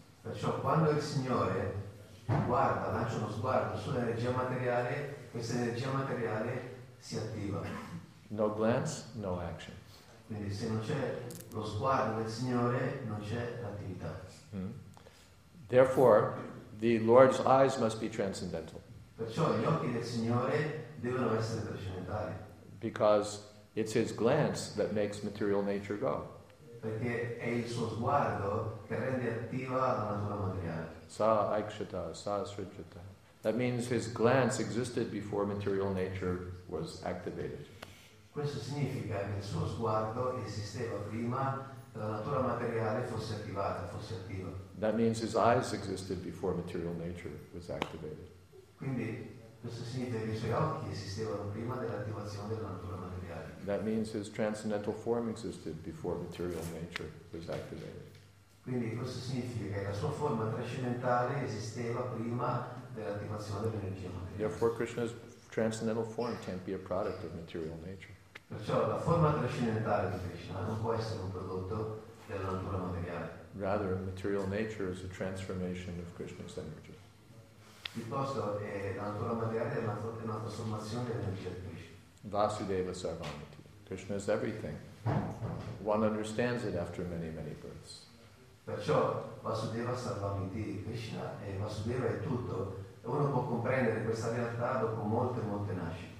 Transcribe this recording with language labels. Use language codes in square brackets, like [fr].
[it] Perciò quando il Signore guarda, lancia uno sguardo sull'energia materiale, questa energia materiale si attiva. [en] No glance, no action. [it] Quindi se non c'è lo sguardo del Signore, non c'è l'attività. [en] Therefore, the Lord's eyes must be transcendental. [it] Perciò gli occhi del Signore devono essere trascendenti. [en] Because it's his glance that makes material nature go. [it] Perché è il suo sguardo che rende attiva la natura materiale. [sa] Sa aikshata, sa srijata. [en] That means his glance existed before material nature was activated. [it] Questo significa che il suo sguardo esisteva prima che la natura materiale fosse attivata, fosse attiva. [en] That means his eyes existed before material nature was activated. [it] Quindi questo significa che i suoi occhi esistevano prima dell'attivazione della natura materiale. [en] That means his transcendental form existed before material nature was activated. [it] Quindi questo significa che la sua forma trascendentale esisteva prima dell'attivazione dell'energia materiale. [en] Therefore, Krishna's transcendental form can't be a product of material nature. [it] Perciò la forma trascendentale di Krishna non può essere un prodotto della natura materiale. [en] Rather, material nature is a transformation of Krishna's energy. [it] Piuttosto è la natura materiale è una trasformazione dell'energia di Krishna. [sa] Vasudeva Sarvamiti. [en] Krishna is everything. One understands it after many, many births. [it] Perciò [sa] Vasudeva Sarvamiti, [it] Krishna è Vasudeva è tutto. Uno può comprendere questa realtà dopo molte, molte nascite.